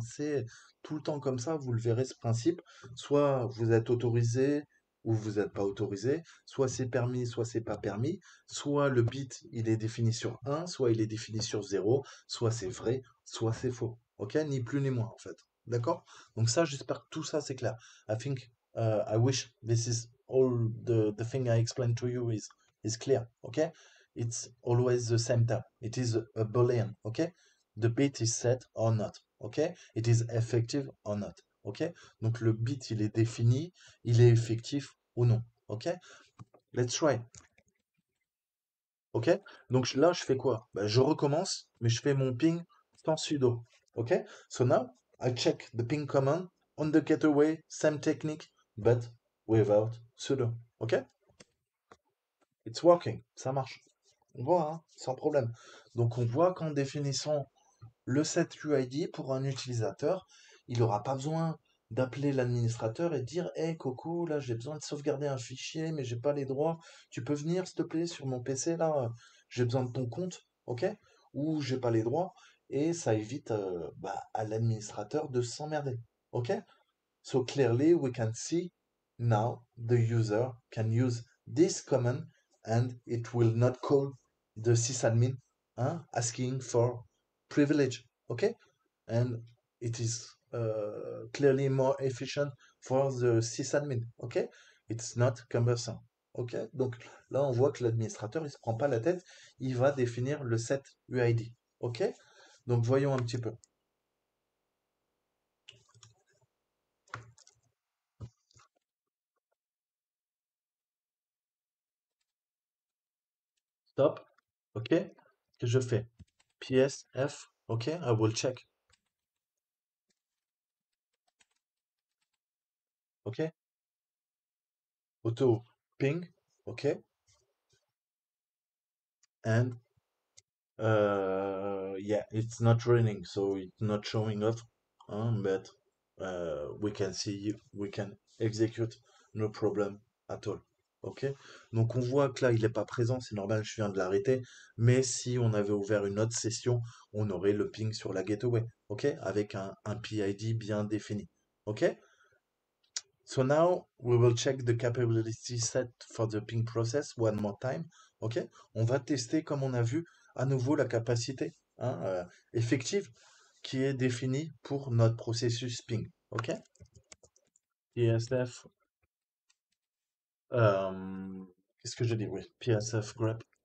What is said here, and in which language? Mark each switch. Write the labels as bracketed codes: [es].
[fr] C'est tout le temps comme ça. Vous le verrez, ce principe. Soit vous êtes autorisé ou vous n'êtes pas autorisé. Soit c'est permis, soit c'est pas permis. Soit le bit, il est défini sur 1, soit il est défini sur 0. Soit c'est vrai, soit c'est faux. OK? Ni plus ni moins, en fait. D'accord? Donc, ça, j'espère que tout ça, c'est clair. [en] I think, I wish this is all the thing I explained to you is clear. OK? It's always the same term. It is a boolean. OK? The bit is set or not. OK? It is effective or not. OK? [fr] Donc le bit, il est défini, il est effectif ou non. OK? [en] Let's try. [fr] OK? Donc là, je fais quoi? Ben, je recommence, mais je fais mon ping sans sudo. OK? [en] So now, I check the ping command on the gateway, same technique, but without sudo. OK? It's working. [fr] Ça marche. On voit, hein, sans problème. Donc, on voit qu'en définissant le set UID pour un utilisateur, il n'aura pas besoin d'appeler l'administrateur et dire hey, coucou, là, j'ai besoin de sauvegarder un fichier, mais j'ai pas les droits. Tu peux venir, s'il te plaît, sur mon PC, là, j'ai besoin de ton compte, OK? Ou j'ai pas les droits. Et ça évite bah, à l'administrateur de s'emmerder. OK? [en] So clearly, we can see now the user can use this command. And it will not call the sysadmin, hein, asking for privilege. OK? And it is clearly more efficient for the sysadmin. OK? It's not cumbersome. OK? [fr] Donc là, on voit que l'administrateur, il ne se prend pas la tête. Il va définir le set UID. OK? Donc voyons un petit peu. [en] Stop. OK. [fr] Qu'est-ce que je fais? [en] PSF. OK. I will check. OK. Auto ping. OK. And yeah, it's not running. So it's not showing up. Hein, but we can see, we can execute. No problem at all. OK. [fr] Donc on voit que là il n'est pas présent, c'est normal, je viens de l'arrêter, mais si on avait ouvert une autre session, on aurait le ping sur la gateway, OK, avec un PID bien défini. OK? [en] So now we will check the capability set for the ping process one more time, OK? [fr] On va tester comme on a vu à nouveau la capacité, hein, effective qui est définie pour notre processus ping, OK? PSF qu'est-ce que j'ai dit? Oui, PSF grep.